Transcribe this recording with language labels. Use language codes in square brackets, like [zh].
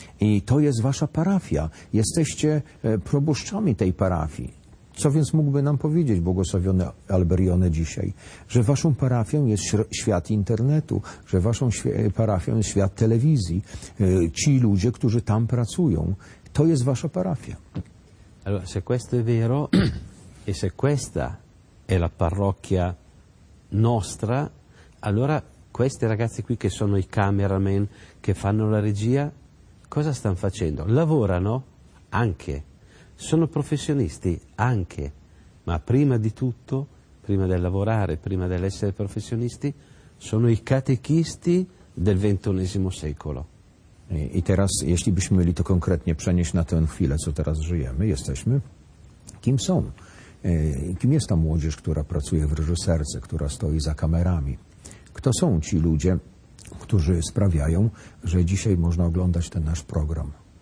[pl] I to jest wasza parafia. Jesteście proboszczami tej parafii. Co więc mógłby nam powiedzieć błogosławiony Alberione dzisiaj? Że waszą parafią jest świat internetu, że waszą parafią jest świat telewizji. Ci ludzie, którzy tam pracują, to jest wasza parafia. [it] Allora, se questo è vero e se questa è la parrocchia nostra, allora questi ragazzi qui che sono i cameraman che fanno la regia, cosa stanno facendo? Lavorano? Anche. Sono professionisti? Anche. Ma prima di tutto, prima del lavorare, prima dell'essere professionisti, sono i catechisti del XXI secolo. [pl] I teraz, jeśli byśmy mieli to konkretnie przenieść na tę chwilę, co teraz żyjemy, jesteśmy, kim są? Kim jest ta młodzież, która pracuje w reżyserce, która stoi za kamerami? Kto są ci ludzie, którzy sprawiają, że dzisiaj można oglądać ten nasz program?